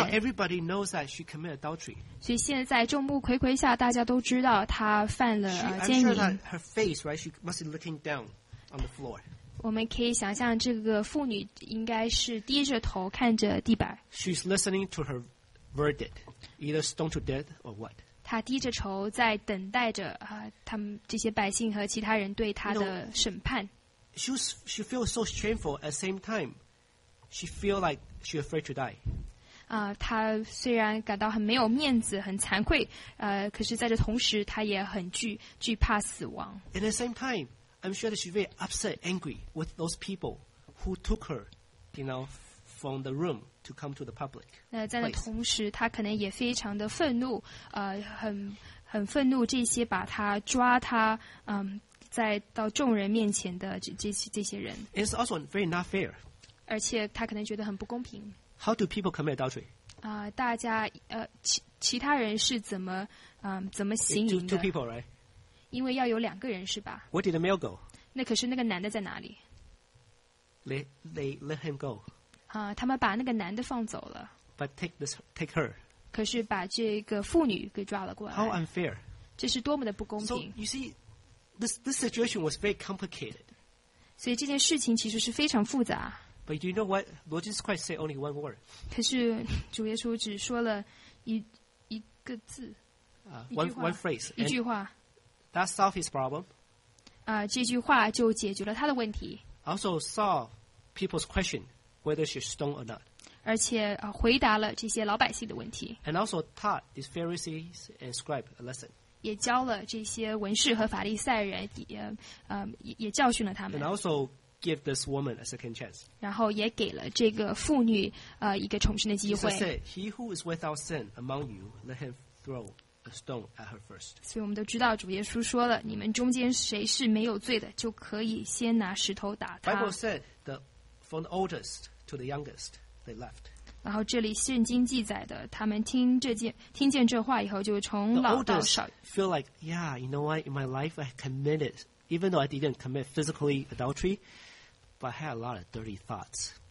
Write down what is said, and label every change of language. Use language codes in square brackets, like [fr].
[en] and now everybody knows that she committed adultery. [zh] 所以现在众目睽睽下大家都知道她犯了奸淫 [en] I'm sure that her face, right, she must be looking down on the floor. [zh] 我们可以想象这个妇女应该是低着头看着地板 [en] She's listening to herVerdict, either stoned to death or what? [zh] 他低着头在等待着他们这些百姓和其他人对他的审判。 [en] She feels so shameful. At the same time, she feels like she's afraid to die. [zh] 他虽然感到很没有面子、很惭愧，可是在这同时，他也很惧怕死亡。 [en] At the same time, I'm sure that she's very upset, angry with those people who took her, you know, from the room. To come to the public. [zh] 那在那同时，他可能也非常的愤怒，很愤怒这些把他抓他，在到众人面前的这些人。 [en] It's also very not fair. [zh] 而且他可能觉得很不公平。 [en] How do people commit adultery? [zh] 大家其他人是怎么行淫的 [en] ？Two people, right? [zh] 因为要有两个人是吧 [en] ？Where did the male go? [zh] 那可是那个男的在哪里 [en] ？They let him go. [zh] 他们把那个男的放走了。 [en] But take her. [zh] 可是把这个妇女给抓了过来。 [en] How unfair! [zh] 这是多么的不公平。 [en] So you see, this situation was very complicated. [zh] 所以这件事情其实是非常复杂。 [en] But do you know what? Lord Jesus Christ said only one word. [zh] 可是主耶稣只说了一个字。 [en] One phrase. [zh] 一句话。 [en] That solved his problem. [zh] 这句话就解决了他的问题。 [en] Also solved people's question.Whether she's stoned or not. [zh] 而且回答了这些老百姓的问题。 [en] And also taught these Pharisees and scribes a lesson. [zh] 也教了这些文士和法利赛人，也教训了他们。 [en] And also give this woman a second chance. [zh] 然后也给了这个妇女一个重生的机会。 [en] He said, "He who is without sin among you, let him throw." Stone at her first. [zh] 所以我们都知道主耶稣说了，你们中间谁是没有罪的，就可以先拿石头打他。 [en] Bible said the from the oldest to the youngest, they left. [zh] 然后这里圣经记载的，他们听见这话以后，就从老到少。 [en] Feel like, yeah, you know what? In my life, I committed, even though I didn't commit physically adultery, but I had a lot of dirty thoughts.